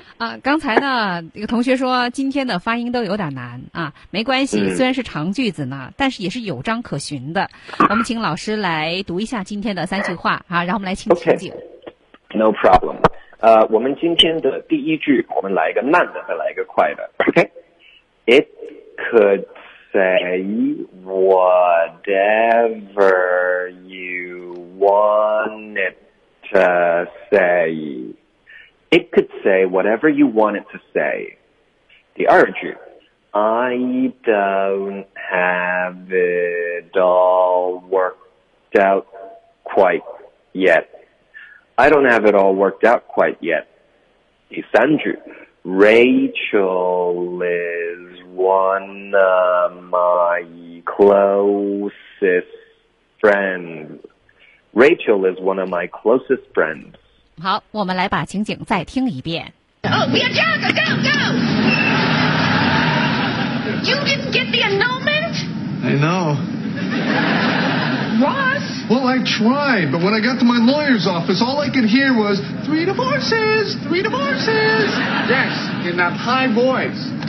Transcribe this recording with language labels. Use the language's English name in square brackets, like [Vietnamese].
[Chinese] 啊，刚才呢一个同学说今天的发音都有点难啊，没关系，虽然是长句子呢，但是也是有章可循的。我们请老师来读一下今天的三句话啊，让我们来听情景。 [English] Okay. No problem. [Chinese] 我们今天的第一句，我们来一个慢的，再来一个快的 ，OK？ [English] It could say whatever you want it to say. It could say whatever you want it to say. [Chinese] 第二句 [English] ，I don't have it all worked out quite yet. I don't have it all worked out quite yet. [Chinese] 第三句 [English] Rachel is one of my closest friends. Rachel is one of my closest friends. [Chinese] 好，我们来把情景再听一遍。 [English] Oh, we are jogging, go, go! You didn't get the annulment? I know. Ross? Well, I tried, but when I got to my lawyer's office, all I could hear was, three divorces! Yes, in that high voice.